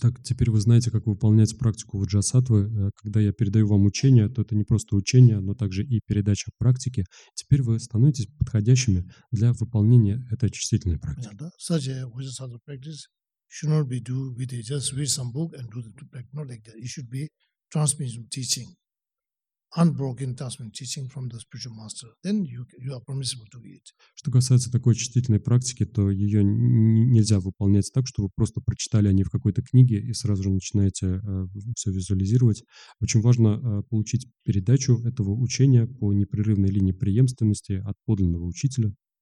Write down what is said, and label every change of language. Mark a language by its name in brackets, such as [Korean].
[Russian] Так, теперь вы знаете, как выполнять практику ваджасатвы. Когда я передаю вам учение, то это не просто учение, но также и передача практики. Теперь вы становитесь подходящими для выполнения этой очистительной практики. [English] Yeah, such a ваджасатва practice should not be do with it. Just read some book and do the practice. Not like that. It should be transmission teaching. Unbroken transmission teaching from the spiritual master, then you are permissible to it. [Russian] Что касается такой очистительной практики, то ее нельзя выполнять так, что вы просто прочитали о ней в какой-то книге и сразу же начинаете все визуализировать. Очень важно получить передачу этого учения по непрерывной линии преемственности от подлинного учителя.